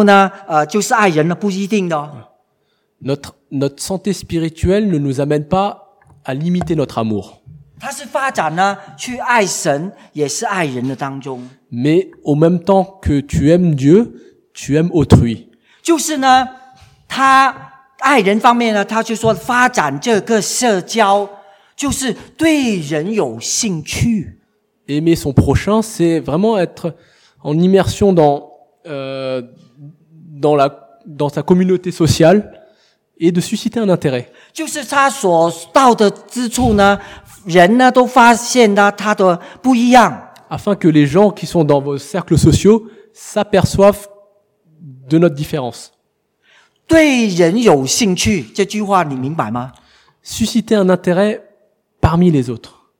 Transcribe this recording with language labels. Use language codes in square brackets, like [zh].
[zh] 啊，不要说我灵性很好，就等于说我爱神，然后呢，就是爱人了，不一定的。 [fr] Notre santé spirituelle ne nous amène pas à limiter notre amour. [zh] 它是发展呢，去爱神，也是爱人的当中。 [fr] Mais au même temps que tu aimes Dieu, tu aimes autrui. [zh] 就是呢，他爱人方面呢，他就说发展这个社交，就是对人有兴趣。 [fr] Aimer son prochain, c'est vraiment être en immersion dans sa communauté sociale et de susciter un intérêt. [zh] 就是他所到的之处呢，人呢都发现他的不一样。 [fr] Afin que les gens qui sont dans vos cercles sociaux s'aperçoivent de notre différence. [zh] 对人有兴趣，这句话你明白吗？ [fr] Susciter un intérêt parmi les autres.